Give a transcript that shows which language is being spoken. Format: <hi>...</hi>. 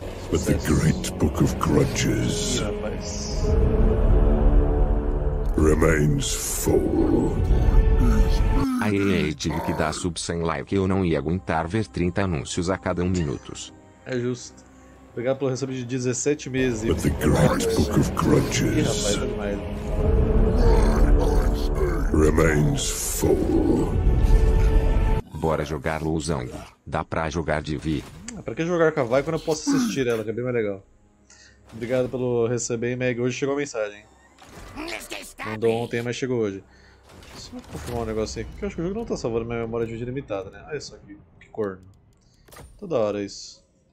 <en>But the Great Book of Grudges remains full.</en> <pt>Aí, aí, tive que dar sub sem like. Eu não ia aguentar ver 30 anúncios a cada 1 minuto. É justo. Obrigado pelo recebido de 17 meses.</pt> <en>But the Great Book of Grudges remains full.</en> <pt>Bora jogar Luzang. Dá pra jogar de vi. Pra que jogar com a Vi quando eu posso assistir ela, que é bem mais legal. Obrigado pelo receber, Meg. Hoje chegou a mensagem. Mandou ontem, mas chegou hoje. Só confirmar um negocinho aqui, que eu acho que o jogo não tá salvando minha memória de vídeo limitada, né? Olha isso aqui, que corno. Toda hora isso.</pt>